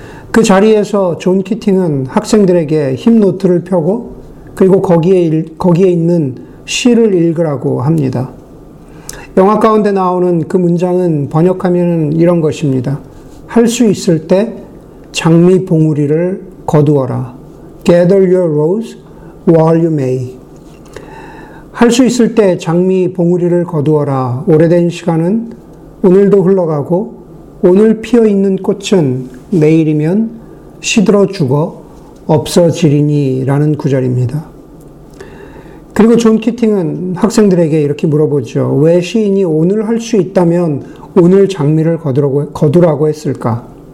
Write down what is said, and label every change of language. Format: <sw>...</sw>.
<ko>그 자리에서 존 키팅은 학생들에게 힘 노트를 펴고 그리고 거기에 있는 시를 읽으라고 합니다. 영화 가운데 나오는 그 문장은 번역하면 이런 것입니다. 할 수 있을 때 장미 봉우리를 거두어라.</ko> <en>Gather your rose while you may.</en> <ko>할 수 있을 때 장미 봉우리를 거두어라. 오래된 시간은 오늘도 흘러가고 오늘 피어 있는 꽃은 내일이면 시들어 죽어 없어지리니라는 구절입니다. 그리고 존 키팅은 학생들에게 이렇게 물어보죠. 왜 시인이 오늘 할 수 있다면 오늘 장미를 거두라고 했을까?</ko>